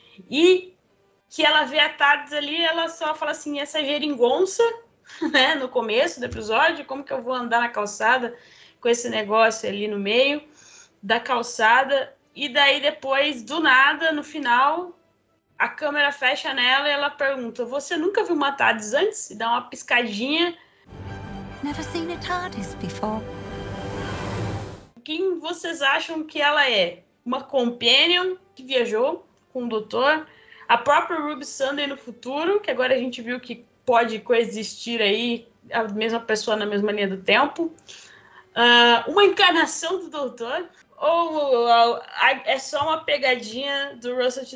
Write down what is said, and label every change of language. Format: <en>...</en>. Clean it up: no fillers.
<pt>E que ela vê a TARDIS ali e ela só fala assim, essa geringonça... Né? No começo do episódio, como que eu vou andar na calçada com esse negócio ali no meio da calçada? E daí depois, do nada, no final, a câmera fecha nela e ela pergunta: você nunca viu uma TARDIS antes? E dá uma piscadinha.</pt> <en>Never seen a TARDIS before.</en> <pt>Quem vocês acham que ela é? Uma companion que viajou com o doutor? A própria Ruby Sunday no futuro, que agora a gente viu que pode coexistir aí a mesma pessoa na mesma linha do tempo. Uma encarnação do doutor? Ou é só uma pegadinha do Russell T.</pt>